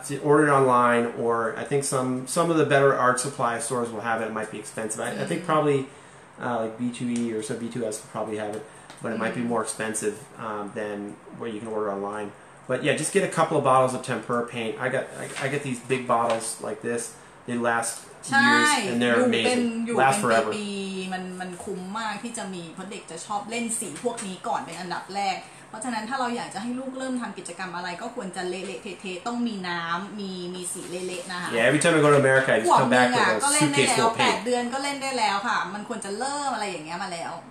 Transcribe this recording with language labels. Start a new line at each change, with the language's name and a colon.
English: Order it online, or I think some of the better art supply stores will have it. It might be expensive. I think probably like B2E or so, B2S will probably have it, but it might be more expensive than what you can order online. But yeah, just get a couple of bottles of tempera paint. I get these big bottles like this. They last...
Thai: ใช่อยู่ เป็ นอยู่เป็นปีมันคุ้มมากที่จะมีเพราะเด็กจะชอบเล่นสีพวกนี้ก่อนเป็นอันดับแรกเพราะฉะนั้นถ้าเราอยากจะให้ลูกเริ่มทำกิจกรรมอะไรก็ควรจะเละๆเทๆต้องมีน้ำมีสีเละๆนะคะ
English: Yeah every time I go to America I just come back with a suitcase full of paint
Thai: 8 เดือนก็เล่นได้แล้วค่ะมันควรจะเริ่มอะไรอย่างเงี้ยมาแล้ว